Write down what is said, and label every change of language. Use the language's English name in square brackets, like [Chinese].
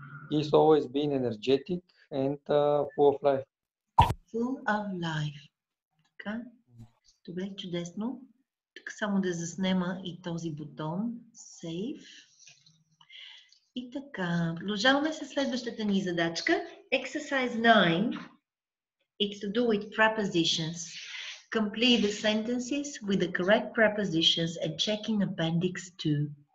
[English] He's always been energetic and full of life. Full of life. [Bulgarian] Така. Добре, чудесно. Тук само да заснема и този бутон. [English] Save. [Bulgarian] И така, продължаваме с следващата ни задачка. [English] Exercise 9. It's to do with prepositions. Complete the sentences with the correct prepositions and check in appendix 2.